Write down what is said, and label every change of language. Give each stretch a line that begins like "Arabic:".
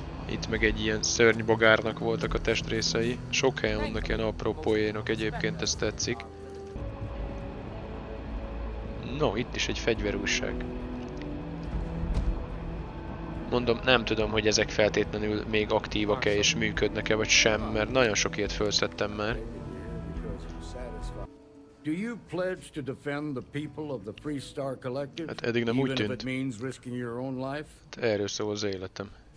Hungarian: Itt meg egy ilyen szörnybogárnak voltak a testrészei. Sok helyen vannak ilyen apró poénok, egyébként ez tetszik. No, itt is egy fegyverújság. Mondom, nem tudom, hogy ezek feltétlenül még aktívak-e és működnek-e vagy sem, mert nagyon sok ilyet felszedtem már.
English: Do you pledge to defend the people of the Freestar Collective?
Hungarian: Hát eddig nem úgy tűnt.
English: Even if it means risking your own life?
Hungarian: Hát erről szól az életem.